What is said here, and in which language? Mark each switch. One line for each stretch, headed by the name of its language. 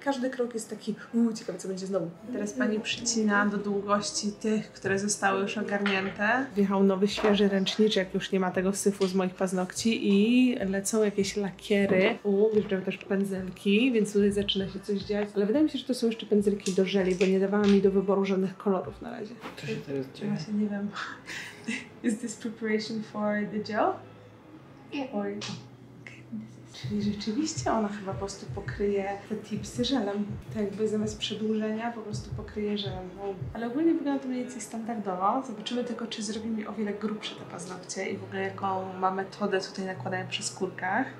Polish: Każdy krok jest taki, ciekawe, co będzie znowu. Teraz pani przycina do długości tych, które zostały już ogarnięte. Wjechał nowy, świeży ręczniczek, już nie ma tego syfu z moich paznokci i lecą jakieś lakiery. Wjeżdżają też pędzelki, więc tutaj zaczyna się coś dziać. Ale wydaje mi się, że to są jeszcze pędzelki do żeli, bo nie dawała mi do wyboru żadnych kolorów na razie. Co się teraz dzieje? Ja się nie wiem.
English: Is this preparation for the gel? Yeah. Or... Goodness.
Polish: Czyli rzeczywiście ona chyba po prostu pokryje te tipsy żelem. To jakby zamiast przedłużenia po prostu pokryje żelem. Ale ogólnie wygląda to mniej więcej standardowo. Zobaczymy tylko, czy zrobi mi o wiele grubsze te paznokcie i w ogóle jaką ma metodę tutaj nakładania przy skórkach.